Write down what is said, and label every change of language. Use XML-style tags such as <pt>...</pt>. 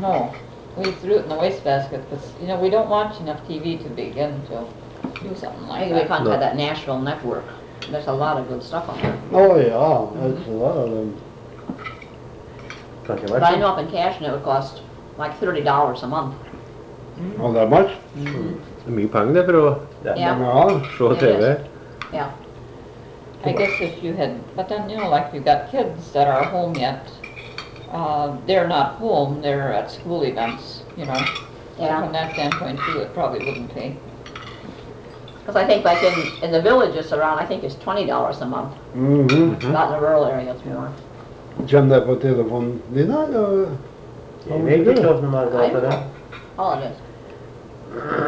<en>No, we threw it in the wastebasket because, you know, we don't watch enough TV to begin to do something like that. We can't have that Nashville network. There's a lot of good stuff on there. Oh, yeah. Mm-hmm. There's a lot of them. But I know up in cash and it would cost like $30 a month. Mm. Oh, that much? Mm-hmm.</en> <no>Mye penger det for å se TV.</no> <en>Yeah. I guess if you had, but then, you know, like you've got kids that are home yet, they're not home, they're at school events, you know. Yeah. From that standpoint too, it probably wouldn't pay. Because I think like in the villages around, I think it's $20 a month. Mm-hmm. Not in a rural area, it's more.</en> <no>Kjem det på telefonen din, eller? Jeg vet ikke hvordan man har gått til det. Ja, det</no>